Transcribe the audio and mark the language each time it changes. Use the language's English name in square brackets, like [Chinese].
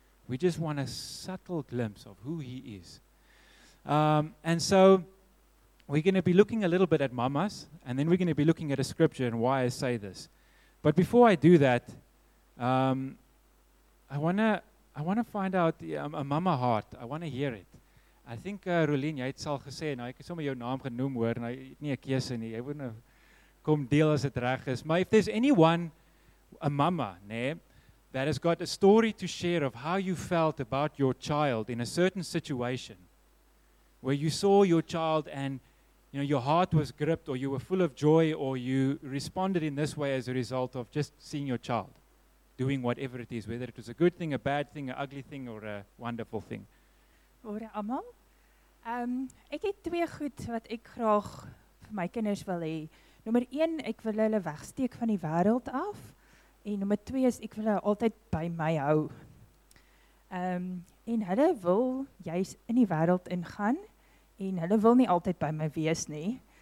[English] We just want a subtle glimpse of who he is. And so we're going to be looking a little bit at mamas, and then we're going to be looking at a scripture and why I say this. But before I do that, I wanna find out a mama heart. I want to hear it. [Afrikaans] I think, Rolien, jy het al gesê, nou ek het sommer jou naam genoem hoor, en hy het nie 'n keuse nie. Jy moet nou kom deel as dit reg is. [English] Maar if there's anyone, a mama, nee, that has got a story to share of how you felt about your child in a certain situation, where you saw your child and, you know, your heart was gripped, or you were full of joy, or you responded in this way as a result of just seeing your child doing whatever it is, whether it was a good thing, a bad thing, an ugly thing, or a wonderful thing. [Afrikaans] Môre almal. Ek het twee goed wat ek graag vir my kinders wil hê. Nommer 1, ek wil hulle wegsteek van die wêreld af. En nommer 2 is ek wil hulle altyd by my hou. En hulle wil juis in die wêreld ingaan en hulle wil nie altyd by my wees nie.